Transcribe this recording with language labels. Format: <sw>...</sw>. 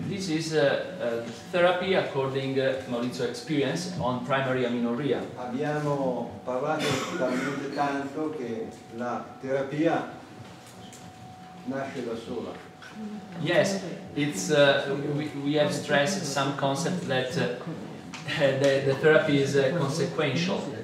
<en>This is therapy according Maurizio's experience on primary amenorrhea.</en> <it>Abbiamo parlato talmente tanto che la terapia nasce da sola.</it> <en>Yes, it's we have stressed some concept that the therapy is consequential.</en>